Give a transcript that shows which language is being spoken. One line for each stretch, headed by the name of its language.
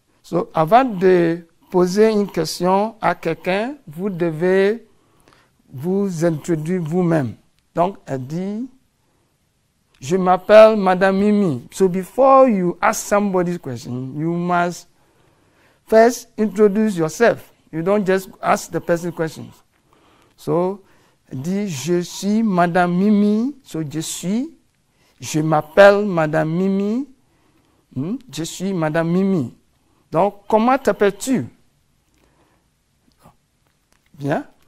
French: So, avant de poser une question à quelqu'un, vous devez vous introduire vous-même. Donc, elle dit, je m'appelle Madame Mimi.
English: So, before you ask somebody's question, you must first introduce yourself. You don't just ask the person questions. So,
French: dit, je suis Madame Mimi, ce que je suis. Je m'appelle Madame Mimi. Je suis Madame Mimi. Donc, comment t'appelles-tu? Bien.